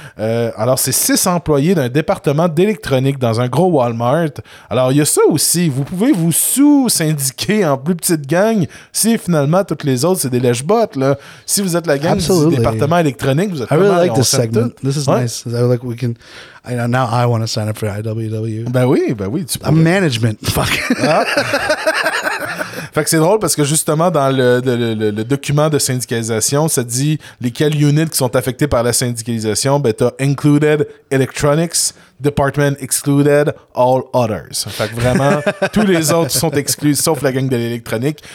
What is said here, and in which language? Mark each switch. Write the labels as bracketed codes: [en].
[fr] Alors c'est 6 employés d'un département d'électronique dans un gros Walmart. Alors il y a ça aussi, vous pouvez vous sous-syndiquer en plus petite gang si finalement toutes les autres c'est des lèche-bottes là. Si vous êtes la gang du département électronique, vous êtes vraiment [en] like this segment. This is nice. Is that like we can? I know, now I want to sign up for IWW. [fr] Ben oui. [en] I'm management. Fuck. [fr] Fait que c'est drôle parce que justement dans le document de syndicalisation, ça dit lesquelles units qui sont affectées par la syndicalisation. Ben t'as [en] included electronics, department excluded, all others. [fr] Fait que vraiment tous les autres sont exclus sauf la gang de l'électronique.